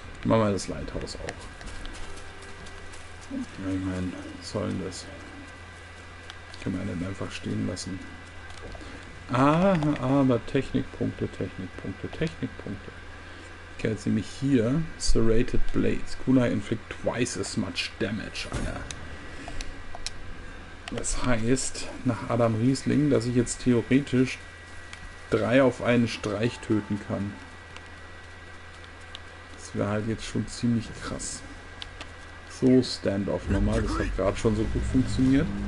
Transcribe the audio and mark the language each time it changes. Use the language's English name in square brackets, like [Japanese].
[German] Machen wir das Lighthouse auch. Ja, ich meine, sollen das? Kann man dann einfach stehen lassen. Ah, aber Technikpunkte, Technikpunkte, Technikpunkte. Ich kann jetzt nämlich hier Serrated Blades. [English] Kunai inflict twice as much damage, Alter. [German] Das heißt, nach Adam Riesling, dass ich jetzt theoretisch 3 auf einen Streich töten kann. Das wäre halt jetzt schon ziemlich krass. So, Standoff nochmal. Das hat gerade schon so gut funktioniert.